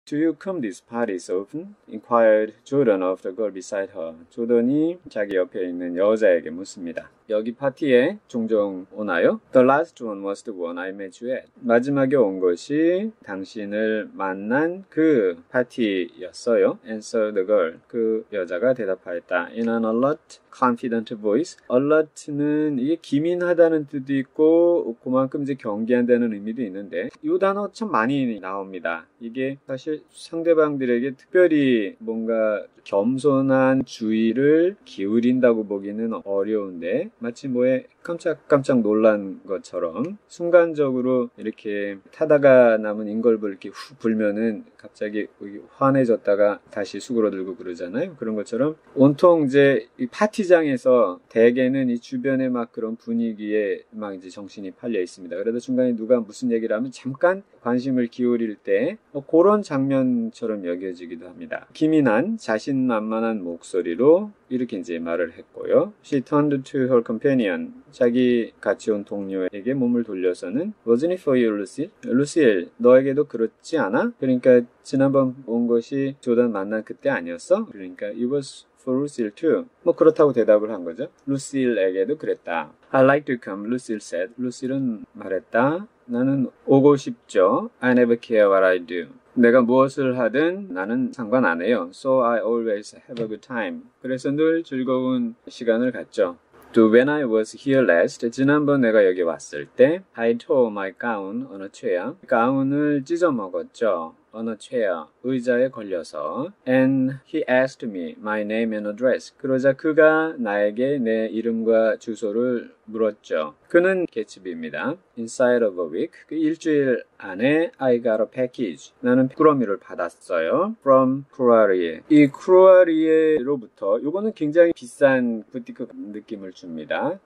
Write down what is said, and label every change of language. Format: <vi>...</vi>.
<en>Do you come these parties often? inquired Jordan of the girl beside her.</en> <ko>조던이 자기 옆에 있는 여자에게 묻습니다. 여기 파티에 종종 오나요?</ko> <en>The last one was the one I met you at.</en> <ko>마지막에 온 것이 당신을 만난 그 파티였어요.</ko> <en>Answered the girl.</en> <ko>그 여자가 대답하였다.</ko> <en>In an alert, confident voice.</en> <ko>Alert는 이게 기민하다는 뜻도 있고, 그만큼 이제 경계한다는 의미도 있는데, 이 단어 참 많이 나옵니다. 이게 사실 상대방들에게 특별히 뭔가 겸손한 주의를 기울인다고 보기는 어려운데, 마치 뭐에 깜짝깜짝 놀란 것처럼 순간적으로 이렇게 타다가 남은 인걸블 이렇게 훅 불면은 갑자기 환해졌다가 다시 수그러들고 그러잖아요. 그런 것처럼 온통 이제 이 파티장에서 대개는 이 주변에 막 그런 분위기에 막 이제 정신이 팔려 있습니다. 그러다 중간에 누가 무슨 얘기를 하면 잠깐 관심을 기울일 때 그런 장면처럼 여겨지기도 합니다. 기민한 자신만만한 목소리로 이렇게 이제 말을 했고요.</ko> <en>She turned to her companion.</en> <ko>자기 같이 온 동료에게 몸을 돌려서는</ko> <en>Wasn't it for you, Lucille?</en> <ko>Lucille, 너에게도 그렇지 않아? 그러니까 지난번 온 것이 조던 만난 그때 아니었어? 그러니까</ko> <en>It was for Lucille too.</en> <ko>뭐 그렇다고 대답을 한 거죠. Lucille에게도 그랬다.</ko> <en>I'd like to come, Lucille said.</en> <ko>Lucille은 말했다. 나는 오고 싶죠.</ko> <en>I never care what I do.</en> <ko>내가 무엇을 하든 나는 상관 안 해요.</ko> <en>So I always have a good time.</en> <ko>그래서 늘 즐거운 시간을 갖죠.</ko> <en>To when I was here last,</en> <ko>지난번 내가 여기 왔을 때,</ko> <en>I tore my gown on a chair.</en> <ko>가운을 찢어 먹었죠.</ko> <en>On a chair,</en> <ko>의자에 걸려서.</ko> <en>And he asked me my name and address.</en> <ko>그러자 그가 나에게 내 이름과 주소를 물었죠. 그는 개츠비입니다.</ko> <en>Inside of a week,</en> <ko>그 일주일 안에</ko> <en>I got a package.</en> <ko>나는 꾸러미를 받았어요.</ko> <en>From 쿠라리에.</en> <ko>이 쿠라리에로부터, 요거는 굉장히 비싼 부티크 느낌을 줍니다.</ko>